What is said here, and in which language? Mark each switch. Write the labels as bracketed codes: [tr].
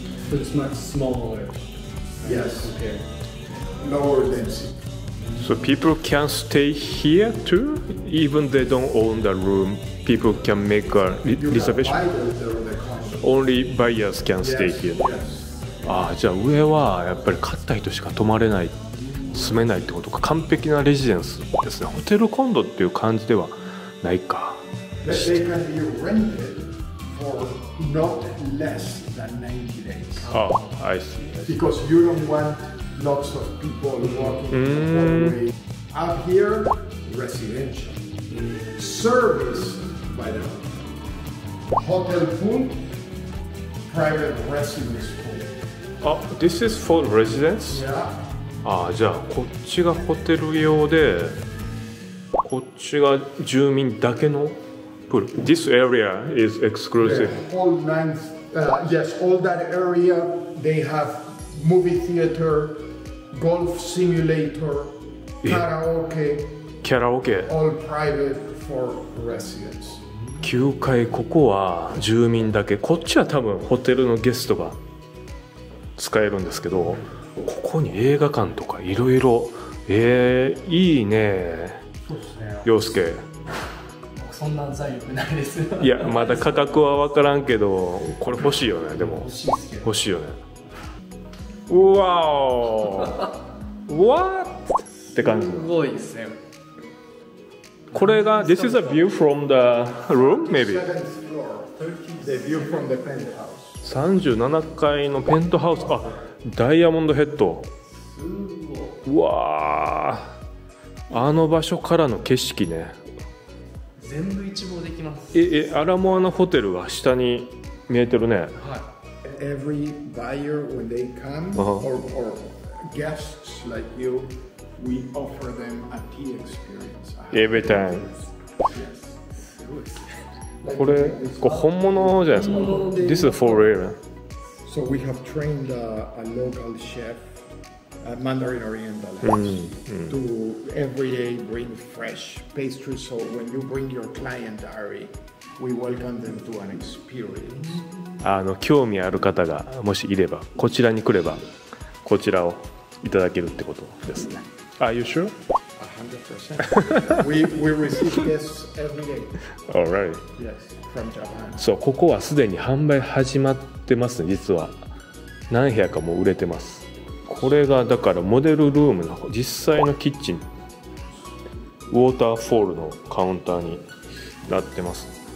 [en] So it's much smaller. Yes. Okay. Lower density. So people can stay here too? Even they don't own the room, people can make a reservation? Only buyers can stay here. Yes, yes. [ja] ああ、じゃあ上はやっぱり買った人しか泊まれない、住めないってことか。完璧なレジデンスですね。ホテルコンドっていう感じではないか。 [en] They can be rented for not less than 90 days. Oh, I see. Because you don't want lots of people walking up here. Residential service by the hotel pool. Private residence pool. Oh, this is for residents? Yeah. [ja] あ、じゃあこっちがホテル用でこっちが住民だけのプール。 [en] This area is exclusive. All lands, yes, all that area, they have movie theater, golf simulator, karaoke. Karaoke. All private for residents. [ja] 9階ここは住民だけ、こっちは多分ホテルのゲストが使えるんですけど、ここに映画館とかいろいろ、いいね。そうっすね、陽介そんな財力ないです。いや、まだ価格は分からんけど、これ欲しいよね。でも欲しいっすけど、欲しいよね。うわーわーって感じ、すごいですね。これが、 [en] This is a view from the room, maybe. [ja] 37階のペントハウス。あ、ダイヤモンドヘッド。すごい。わあ。あの場所からの景色ね。全部一望できます。アラモアナホテルが下に見えてるね。はい。 [en] Every buyer when they come, or guests like you,We offer them a tea experience. Every time. Yes. [ja] これ、これ本物じゃないですか。 [en] This is for real. So we have trained a local chef, a Mandarin Oriental chef, to every day bring fresh pastries. So when you bring your client, Ari, we welcome them to an experience. [ja] あの、興味ある方がもしいれば、こちらに来れば、こちらをいただけるってことですね。 [en] Are you sure? 100%. We receive guests every day. All right. Yes, from Japan. [ja] そう、ここはすでに販売始まってますね、実は。何部屋かも売れてます。これがだからモデルルームの実際のキッチン。ウォーターフォールのカウンターになってます。